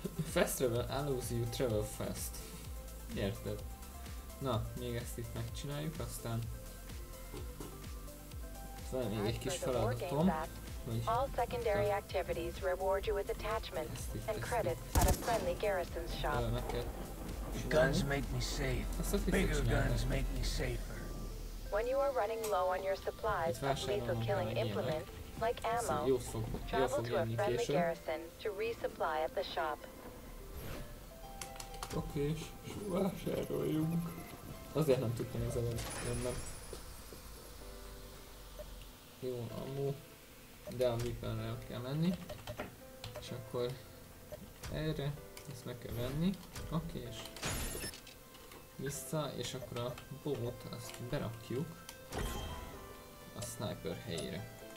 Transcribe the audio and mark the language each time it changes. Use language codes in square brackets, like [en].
[en] Fast travel allows you travel fast. Érted? [hu] Na, még ezt itt megcsináljuk, aztán... Van még egy kis feladatom. [en] All secondary activities reward you with attachments and credits at a friendly garrison shop. Guns make me safe. Bigger guns make me safer. When you are running low on your supplies of lethal killing implements, like ammo, travel to a friendly garrison to resupply at the shop. [hu] Oké, és vásároljunk. Azért nem tudtam az elem jönnem. Jó, amú. De a Weapon-re kell menni. És akkor erre, ezt meg kell venni. Oké, és vissza, és akkor a bot, azt berakjuk a sniper helyére.